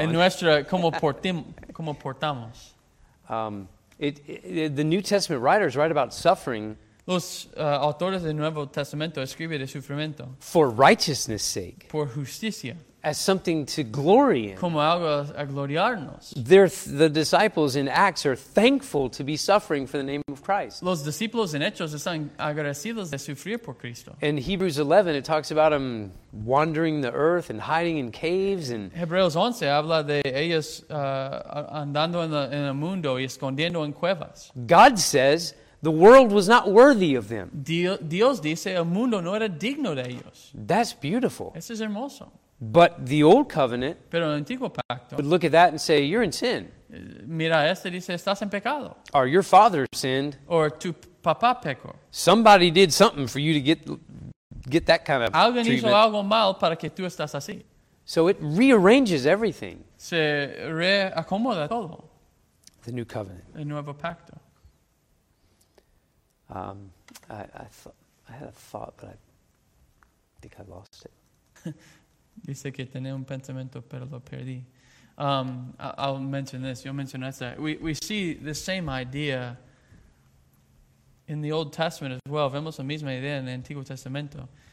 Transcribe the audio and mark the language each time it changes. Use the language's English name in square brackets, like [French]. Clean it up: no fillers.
[Spanish] En nuestra como portamos. [English] The New Testament writers write about suffering. [Spanish] Los autores del Nuevo Testamento escriben de sufrimiento. [English] For righteousness' sake. [Spanish] Por justicia. [English] As something to glory in. [Spanish] Como algo a gloriarnos. [English] The disciples in Acts are thankful to be suffering for the name of Christ. [Spanish] Los discípulos en Hechos están agradecidos de sufrir por Cristo. [English] In Hebrews 11, it talks about them wandering the earth and hiding in caves. And [Spanish] Hebreos 11 habla de ellos andando en el mundo y escondiendo en cuevas. [English] God says, the world was not worthy of them. [Spanish] Dios dice, el mundo no era digno de ellos. [English] That's beautiful. [Spanish] Eso es hermoso. [English] But the old covenant, [Spanish] pero el antiguo pacto, [English] would look at that and say, you're in sin. [Spanish] Mira, este dice, estás en pecado. [English] Or your father sinned. Or [Spanish] tu papá pecó. [English] Somebody did something for you to get that kind of [Spanish] alguien [English] treatment. [Spanish] Alguien hizo algo mal para que tú estás así. [English] So it rearranges everything. [Spanish] Se reacomoda todo. [English] The new covenant. [Spanish] El nuevo pacto. [English] I had a thought, but I think I lost it. [Spanish] Dice que tenía un pensamiento, pero lo perdí. [English] I'll mention this. You'll mention that. We see the same idea in the Old Testament as well. [Spanish] Vemos la misma idea en el Antiguo Testamento.